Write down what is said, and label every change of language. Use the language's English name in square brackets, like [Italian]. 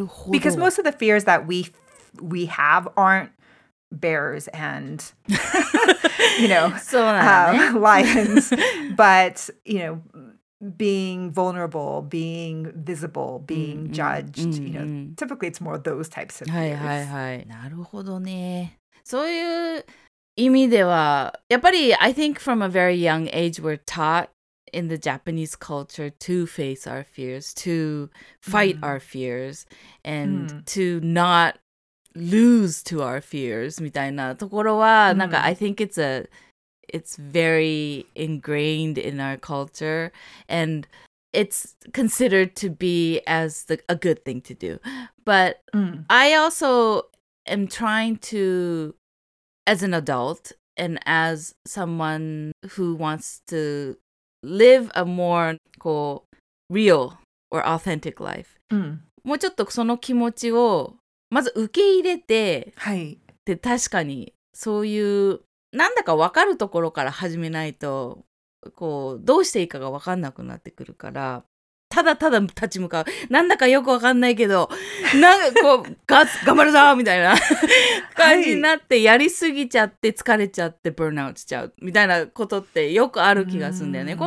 [English] Because most of the fears that we have aren't bears and you know lions but you know being vulnerable being visible being judged you know typically it's more those types of fears. [Japanese] はいはいはい、なるほどね。そういう意味ではやっぱり [English] I think from a very young age we're taughtin the Japanese culture to face our fears to fight our fears and to notlose to our fears [Japanese] みたいなところはなんか [English] I think it's very ingrained in our culture and it's considered to be as the, a good thing to do but I also am trying to as an adult and as someone who wants to live a more [Japanese] こう [English] real or authentic life、 [Japanese] もうちょっとその気持ちをまず受け入れて、はい、で確かにそういうなんだか分かるところから始めないとこうどうしていいかが分かんなくなってくるからただただ立ち向かうなんだかよく分かんないけどなんかこう頑張るぞみたいな感じになってやりすぎちゃって疲れちゃってブーンアウトしちゃうみたいなことってよくある気がするんだよね。